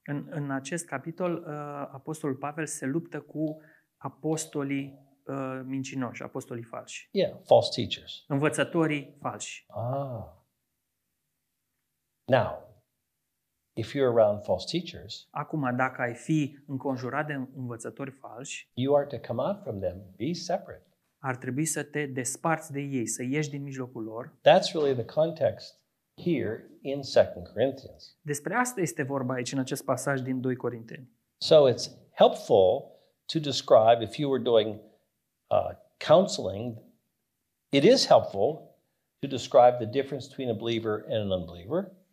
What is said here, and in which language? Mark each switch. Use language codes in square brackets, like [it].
[ro] În acest capitol, apostolul Pavel se luptă cu apostolii mincinoși, apostolii falși. [en] Yeah, false teachers. [ro] Învățătorii falși. [en] Ah. Now, if you're around false teachers, [ro] acum dacă ai fi înconjurat de învățători falși, [en] you are to come out from them, be separate. [ro] Ar trebui să te desparți de ei, să ieși din mijlocul lor. [en] That's really the context. Here in 2 Corinthians. [ro] Despre asta este vorba aici în acest pasaj din 2 Corinteni. [en] So it's helpful to describe if you were doing counseling, it is helpful to describe the difference between a believer and an unbeliever.